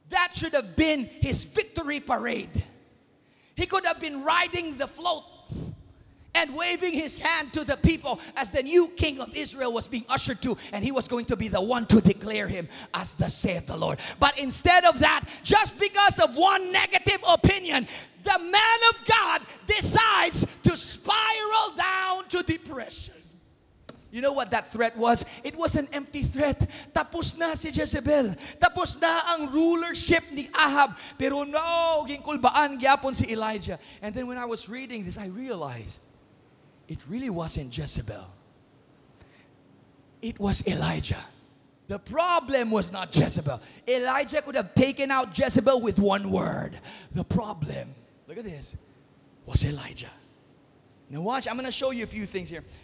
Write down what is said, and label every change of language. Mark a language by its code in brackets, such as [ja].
[en] That should have been his victory parade. He could have been riding the float and waving his hand to the people as the new king of Israel was being ushered to, and he was going to be the one to declare him as the saith the Lord. But instead of that, just because of one negative opinion, the man of God decides to spiral down to depression. You know what that threat was? It was an empty threat. [hil] Tapos na si Jezebel. Tapos na ang rulership ni Ahab. Pero no, ginkulbaan gyapon si Elijah. [en] And then when I was reading this, I realized, it really wasn't Jezebel. It was Elijah. The problem was not Jezebel. Elijah could have taken out Jezebel with one word. The problem, look at this, was Elijah. Now watch, I'm going to show you a few things here.